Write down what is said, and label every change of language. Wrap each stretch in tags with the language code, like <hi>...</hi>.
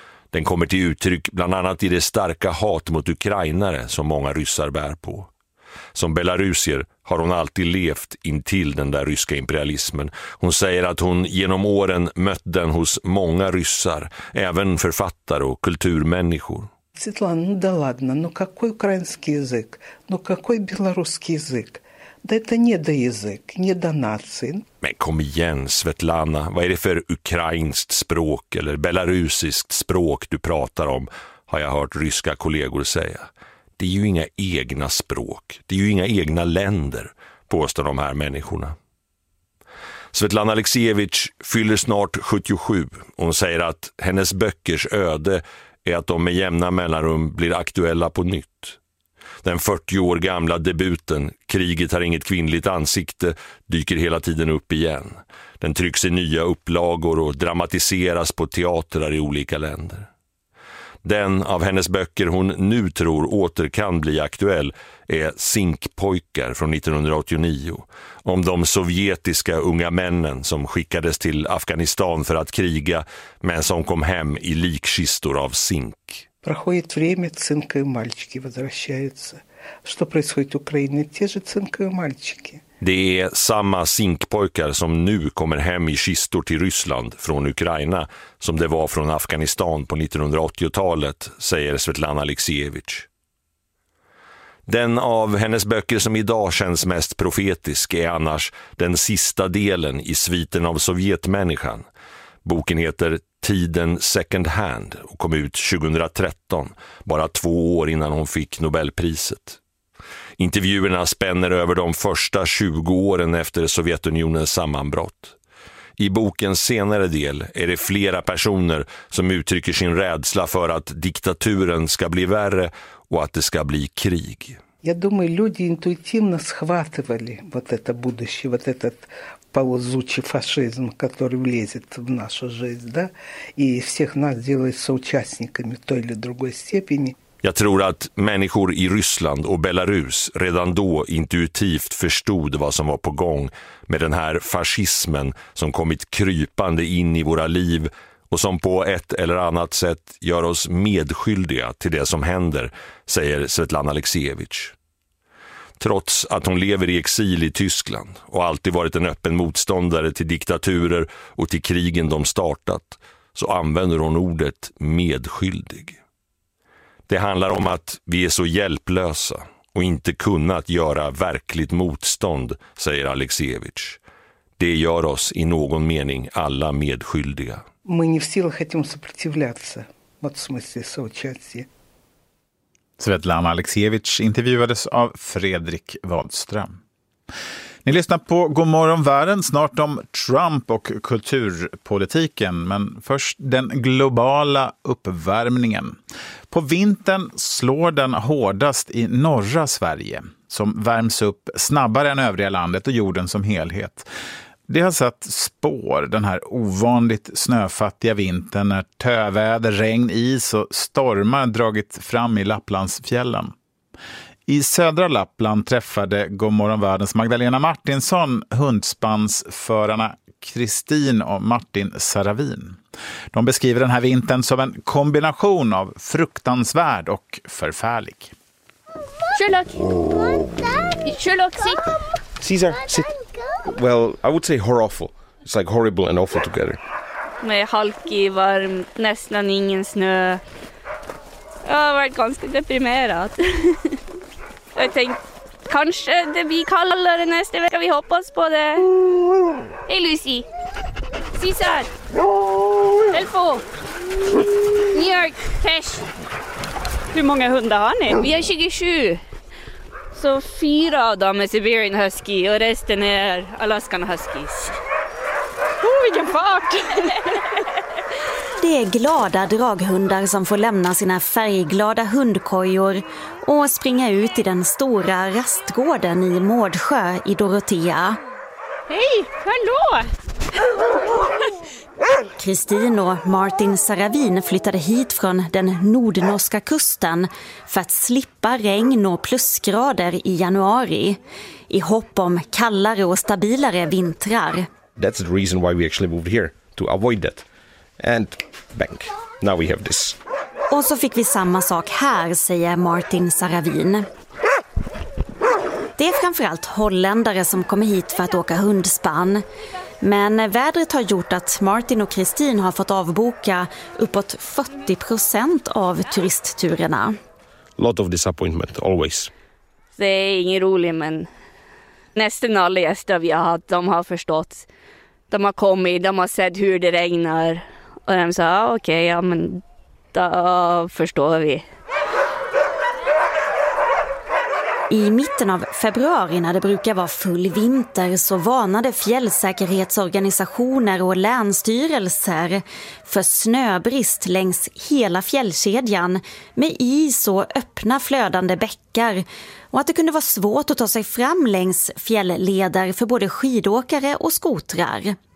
<sv>Den kommer till uttryck bland annat i det starka hat mot ukrainare som många ryssar bär på. Som belarusier har hon alltid levt intill den där ryska imperialismen. Hon säger att hon genom åren mött den hos många ryssar, även författare och kulturmänniskor.</sv> <ru>Svetlana, ну да ладно, ну какой украинский язык? Ну какой белорусский язык? Да это не до язык, не до нации.</ru> <sv>Men kom igen, Svetlana, vad är det för ukrainskt språk eller belarusiskt språk du pratar om, har jag hört ryska kollegor säga. Det är ju inga egna språk, det är ju inga egna länder, påstår de här människorna. Svetlana Alexievich fyller snart 77 och hon säger att hennes böckers öde är att de med jämna mellanrum blir aktuella på nytt. Den 40 år gamla debuten Kriget har inget kvinnligt ansikte dyker hela tiden upp igen. Den trycks i nya upplagor och dramatiseras på teatrar i olika länder. Den av hennes böcker hon nu tror åter kan bli aktuell är Sinkpojkar från 1989, om de sovjetiska unga männen som skickades till Afghanistan för att kriga men som kom hem i likkistor av zink.</sv> <ru>Проходит время, цинковые мальчики возвращаются. Что происходит в Украине? Те же цинковые мальчики.</ru> <sv>Det är samma zinkpojkar som nu kommer hem i kistor till Ryssland från Ukraina som det var från Afghanistan på 1980-talet, säger Svetlana Alexievich. Den av hennes böcker som idag känns mest profetisk är annars den sista delen i sviten av sovjetmänniskan. Boken heter Tiden Second Hand och kom ut 2013, bara 2 år innan hon fick Nobelpriset. Intervjuerna spänner över de första 20 åren efter Sovjetunionens sammanbrott. I bokens senare del är det flera personer som uttrycker sin rädsla för att diktaturen ska bli värre och att det ska bli krig. Jag tror att</sv> <ru>люди интуитивно схватывали вот это будущее, вот этот ползучий фашизм, который влезет в нашу жизнь, да, и всех нас делает соучастниками той или другой степени.</ru> <sv>Jag tror att människor i Ryssland och Belarus redan då intuitivt förstod vad som var på gång med den här fascismen som kommit krypande in i våra liv och som på ett eller annat sätt gör oss medskyldiga till det som händer, säger Svetlana Alexievich. Trots att hon lever i exil i Tyskland och alltid varit en öppen motståndare till diktaturer och till krigen de startat, så använder hon ordet medskyldig. Det handlar om att vi är så hjälplösa och inte kunnat göra verkligt motstånd, säger Alexievich. Det gör oss i någon mening alla medskyldiga.</sv> <ru>Мы не в силах этим сопротивляться. Вот в смысле соучастия.</ru> <sv>Svetlana Alexievich intervjuades av Fredrik Wahlström. Ni lyssnar på God morgon världen, snart om Trump och kulturpolitiken, men först den globala uppvärmningen. På vintern slår den hårdast i norra Sverige, som värms upp snabbare än övriga landet och jorden som helhet. Det har satt spår den här ovanligt snöfattiga vintern när töväder, regn, is och stormar dragit fram i Lapplandsfjällen. I södra Lappland träffade Godmorgonvärldens Magdalena Martinsson hundspansförarna Kristin och Martin Saravin. De beskriver den här vintern som en kombination av fruktansvärd och förfärlig.</sv> <en>Sherlock! Sherlock, sit! Caesar, sit! Well, I would say horrible. It's like horrible and awful together.</en> <sv>Med halkig, varm, nästan ingen snö. Jag har varit ganska deprimerad. Jag tänkte, kanske det blir kallare nästa vecka, vi hoppas på det. Hej Lucy! Caesar! Elfo! New York, Tesh! Hur många hundar har ni? Vi har 27. Så 4 av dem är Siberian Husky och resten är Alaskan Huskies. Oh, vilken fart! Det är glada draghundar som får lämna sina färgglada hundkojor och springa ut i den stora rastgården i Mårdsjö i Dorotea. Hej, hallå! Kristin och Martin Saravin flyttade hit från den nordnorska kusten för att slippa regn och plusgrader i januari i hopp om kallare och stabilare vintrar.</sv> <en>That's the reason why we actually moved here, to avoid that. And bang, now we have this.</en> <sv>Och så fick vi samma sak här, säger Martin Saravin. Det är framförallt holländare som kommer hit för att åka hundspann. Men vädret har gjort att Martin och Kristin har fått avboka uppåt 40% av turistturerna.</sv> <en>Lot of disappointment, always.</en> <sv>Det är ingen rolig, men nästan alla gäster vi har haft, de har förstått. De har kommit, de har sett hur det regnar. Och de sa, okej, ja men då förstår vi. I mitten av februari när det brukar vara full vinter så varnade fjällsäkerhetsorganisationer och länsstyrelser för snöbrist längs hela fjällkedjan med is och öppna flödande bäckar och att det kunde vara svårt att ta sig fram längs fjällleder för både skidåkare och skotrar.</sv>